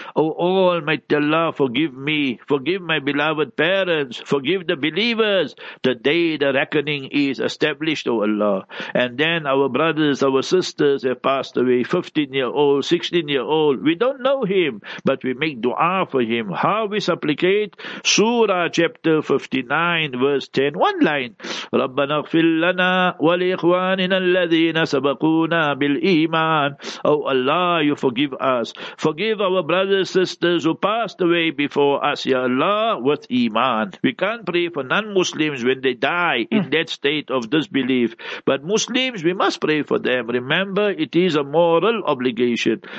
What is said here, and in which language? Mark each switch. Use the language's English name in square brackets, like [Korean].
[English] Oh, Almighty Allah, forgive me, forgive my beloved parents, forgive the believers, the day the reckoning is established, O Allah. And then our brothers, our sisters have passed away, 15-year-old, 16-year-old, we don't know him, but we make dua for him. How we supplicate? Surah chapter 59, verse 10, one line, [Arabic] رَبَّنَا اغْفِرْ لَنَا وَلِإِخْوَانِنَا الَّذِينَ سَبَقُونَا بِالْإِيمَانِ. [English] O Allah, you forgive us, forgive our brothers, sisters who passed away before us, Ya Allah, with Iman. We can't pray for non-Muslims when they die in that state of disbelief. But Muslims, we must pray for them. Remember, it is a moral obligation.